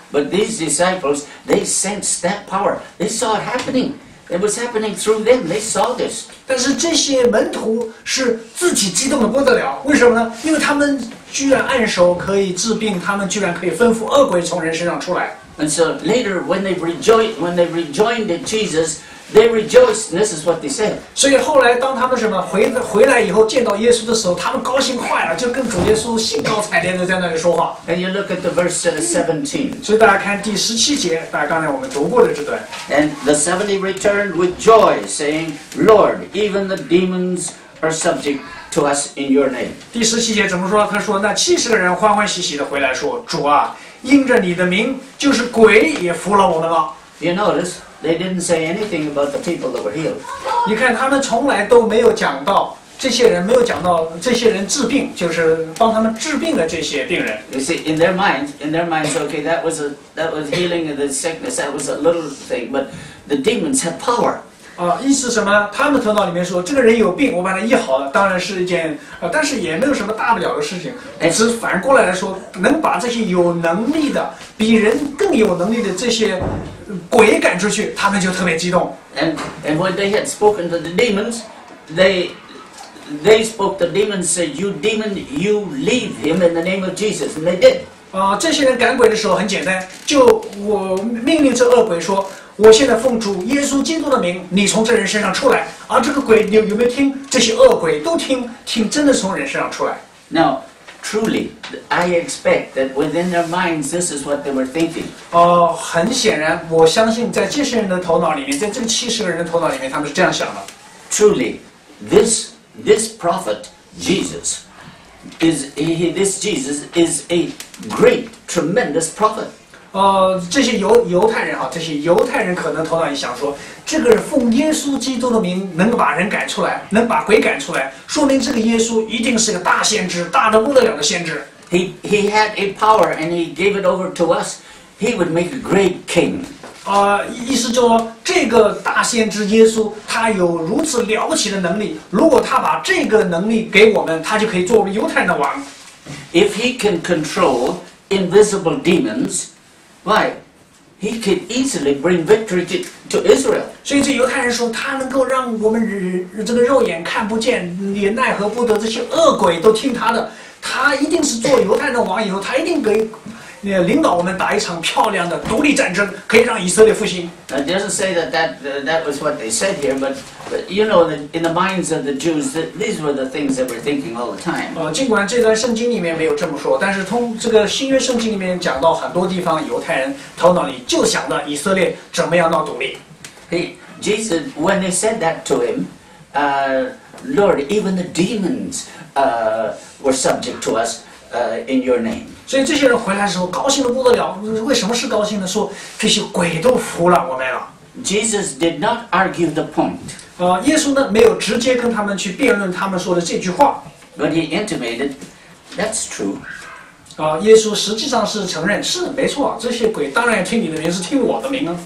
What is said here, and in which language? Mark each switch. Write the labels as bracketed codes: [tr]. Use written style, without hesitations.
[en] But these disciples, they sensed that power. They saw it happening. It was happening through them. They saw this. [zh] 但是这些门徒是自己激动的不得了。为什么呢？因为他们居然按手可以治病，他们居然可以吩咐恶鬼从人身上出来。 [en] And so later, when they rejoined in Jesus, they rejoiced. And this is what they said. [zh] 所以后来当他们什么回来以后见到耶稣的时候，他们高兴坏了，就跟主耶稣兴高采烈的在那里说话。 [en] And you look at the verse 17. [zh] 所以大家看第十七节，大家刚才我们读过的这段。 [en] And the 70 returned with joy, saying, "Lord, even the demons are subject to us in your name." [zh] 第十七节怎么说？他说，那七十个人欢欢喜喜的回来说，主啊。因着你的名，就是鬼也服了我们了。 [en] You notice they didn't say anything about the people that were healed. [zh] 你看他们从来都没有讲到这些人，没有讲到这些人治病，就是帮他们治病的这些病人。 [en] You see, in their minds, okay, that was healing of the sickness. That was a little thing, but the demons have power. [zh] 意思什么？他们头脑里面说，这个人有病，我把他医好了，当然是一件但是也没有什么大不了的事情。只是反过来说，能把这些有能力的、比人更有能力的这些鬼赶出去，他们就特别激动。 [en] And when they had spoken to the demons, they spoke the demons said, "You demon, you leave him in the name of Jesus." And they did. [zh] 这些人赶鬼的时候很简单，就我命令这恶鬼说。我现在奉主耶稣基督的名，你从这人身上出来。而这个鬼，你有没有听？这些恶鬼都听，真的从人身上出来。 [en] Now, truly, I expect that within their minds, this is what they were thinking. [zh] 很显然，我相信在这些人的头脑里面，在这七十个人的头脑里面，他们是这样想的。 [en] Truly, this prophet Jesus is he, this Jesus is a great, tremendous prophet. [zh] 这些犹太人啊，这些犹太人可能头脑一想说，这个奉耶稣基督的名能把人赶出来，能把鬼赶出来，说明这个耶稣一定是个大先知，大的不得了的先知。 [en] He had a power and he gave it over to us. He would make a great king. [zh] 意思就是说，这个大先知耶稣，他有如此了不起的能力，如果他把这个能力给我们，他就可以做我们犹太人的王。 [en] If he can control invisible demons. Why? He could easily bring victory to Israel. [zh] 所以这犹太人说，他能够让我们这个肉眼看不见，也奈何不得这些恶鬼都听他的。他一定是做犹太人的王以后，他一定可以领导我们打一场漂亮的独立战争，可以让以色列复兴。 [en] It doesn't say that was what they said here, but you know, in the minds of the Jews, these were the things that were thinking all the time. [zh] 尽管这段圣经里面没有这么说，但是从这个新约圣经里面讲到很多地方，犹太人头脑里就想着以色列怎么样闹独立。 [en] Jesus, when they said that to him, Lord, even the demons were subject to us in your name. [zh] 所以这些人回来的时候高兴得不得了，为什么是高兴呢？说这些鬼都服了我们了。 [en] Jesus did not argue the point. [zh] 耶稣呢没有直接跟他们去辩论他们说的这句话。 [en] But he intimated, that's true. [zh] 耶稣实际上是承认是没错，这些鬼当然听你的名，是听我的名啊。